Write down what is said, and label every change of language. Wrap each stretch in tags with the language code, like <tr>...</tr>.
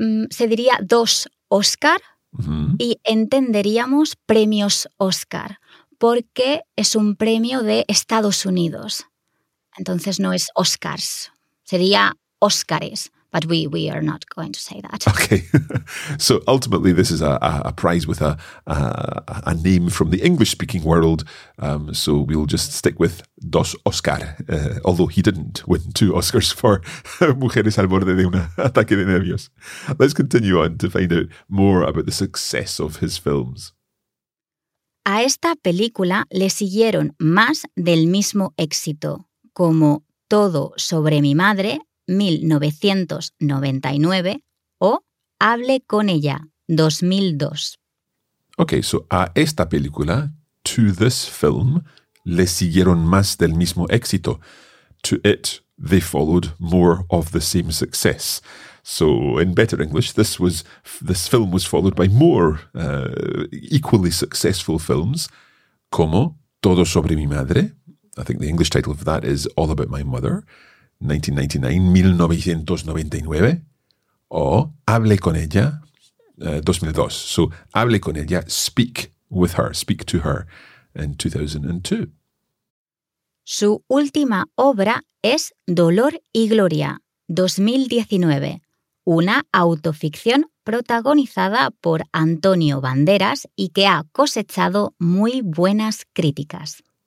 <es>Se diría 2 Oscar, mm-hmm, y entenderíamos premios Oscar porque es un premio de Estados Unidos. Entonces no es Oscars. Sería Oscars.</es> <en>But we are not going to say that. Okay. So ultimately, this is a prize with a name from the English-speaking world. So we'll just stick with 2 Oscar, although he didn't win 2 Oscars for Mujeres al borde de un ataque de nervios. Let's continue on to find out more about the success of his films.</en> <es>A esta película le siguieron más del mismo éxito, como Todo sobre mi madre, 1999, o Hable con ella, 2002.</es> <en>Okay, so</en> <es>a esta película,</es> <en>to this film,</en> <es>le siguieron más del mismo éxito.</es> <en>To it, they followed more of the same success. So in better English, this film was followed by more equally successful films, Como Todo Sobre Mi Madre. I think the English title of that is All About My Mother, 1999, or Hable Con Ella, 2002. So Hable Con Ella, speak with her, speak to her, in 2002.</en> <es>Su última obra es Dolor y Gloria, 2019, una autoficción protagonizada por Antonio Banderas y que ha cosechado muy buenas críticas.</es>